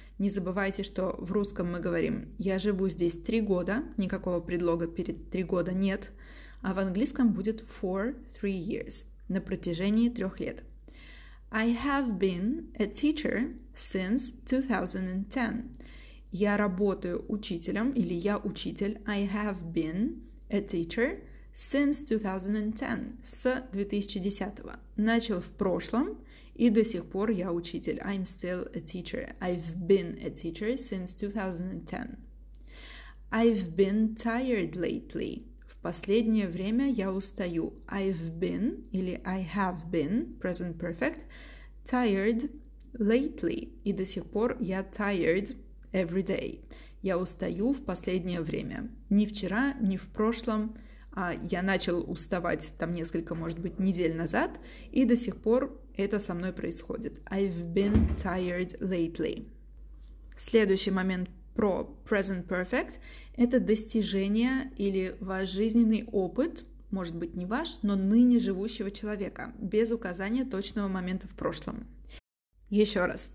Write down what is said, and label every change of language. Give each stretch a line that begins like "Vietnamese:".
Russian: Не забывайте, что в русском мы говорим «я живу здесь 3 года», никакого предлога перед 3 года нет, а в английском будет
English: «for 3 years»
Russian: – на протяжении 3 лет.
English: I have been a teacher since 2010.
Russian: Я работаю учителем или я учитель.
English: I have been a teacher since 2010 –
Russian: с 2010-го. Начал в прошлом. И до сих пор я учитель.
English: I'm still a teacher. I've been a teacher since 2010. I've been tired lately.
Russian: В последнее время я устаю.
English: I've been
Russian: или
English: I have been, present perfect, tired lately.
Russian: И до сих пор я
English: tired every day.
Russian: Я устаю в последнее время. Ни вчера, ни в прошлом. Я начал уставать там несколько, может быть, недель назад, и до сих пор это со мной происходит.
English: I've been tired lately.
Russian: Следующий момент про present perfect – это достижение или ваш жизненный опыт, может быть, не ваш, но ныне живущего человека, без указания точного момента в прошлом. Еще раз.